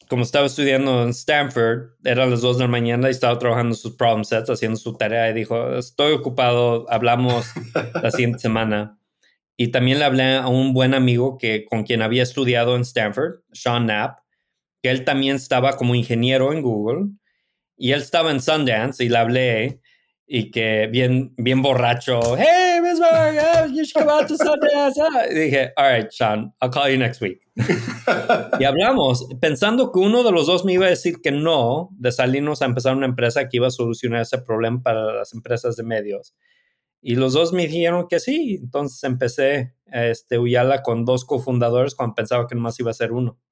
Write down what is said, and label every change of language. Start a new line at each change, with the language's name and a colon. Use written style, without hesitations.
Spanish: como estaba estudiando en Stanford, eran las 2 de la mañana y estaba trabajando sus problem sets, haciendo su tarea, y dijo, estoy ocupado, hablamos la siguiente semana. Y también le hablé a un buen amigo que, con quien había estudiado en Stanford, Sean Knapp, que él también estaba como ingeniero en Google, y él estaba en Sundance, y le hablé, y que bien, bien borracho,
English: ¡hey, Ms. Berg, you should come out to Sundance!
Spanish: Y dije,
English: all right, Sean, I'll call you next week.
Spanish: Y hablamos, pensando que uno de los dos me iba a decir que no, de salirnos a empezar una empresa que iba a solucionar ese problema para las empresas de medios. Y los dos me dijeron que sí. Entonces empecé Uyala con dos cofundadores cuando pensaba que nomás iba a ser uno.